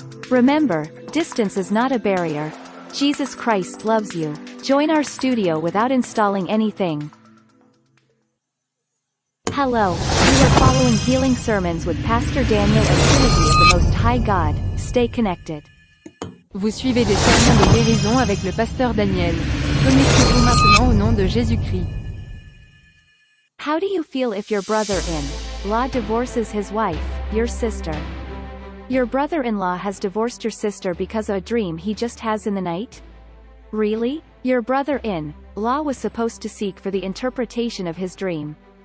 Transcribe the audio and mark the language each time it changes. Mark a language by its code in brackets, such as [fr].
[en] Remember, distance is not a barrier. Jesus Christ loves you. Join our studio without installing anything. Hello, we are following healing sermons with Pastor Daniel and Trinity of the Most High God. Stay connected. [fr] Vous suivez des sermons de guérison avec le Pasteur Daniel. Connectez-vous maintenant au nom de Jésus-Christ. [en] How do you feel if your brother-in-law divorces his wife, your sister? Your brother-in-law has divorced your sister because of a dream he just has in the night? Really? Your brother-in-law was supposed to seek for the interpretation of his dream.